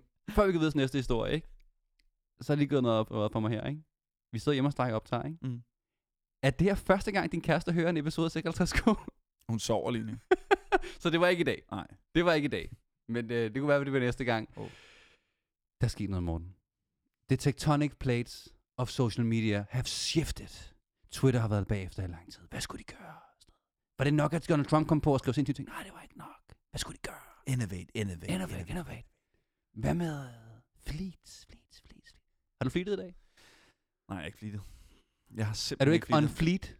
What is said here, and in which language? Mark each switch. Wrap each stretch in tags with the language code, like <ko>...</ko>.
<da>Før vi kan vide næste historie, ikke? Så er lige gået noget for mig her, ikke? Vi sidder hjemme og streger optager, ikke? Mm. Er det her første gang, din kæreste hører en episode af 56K? Hun sover lige nu. Så det var ikke i dag? Nej. Det var ikke i dag. Men det kunne være, at det bliver næste gang. Oh. Der skete noget, Morten.</da> <en>The tectonic plates of social media have shifted.</en> <da>Twitter har været bagefter i lang tid. Hvad skulle de gøre? Var det nok, at Donald Trump kom på og skrev sindssygt ting? Nej, det var ikke nok. Hvad skulle de gøre?</da> <en>Innovate.</en> <da>Hvad med fleets? Har du fleetet i dag? Nej, jeg har ikke fleetet. Jeg har simpelthen er du ikke on fleet?</da>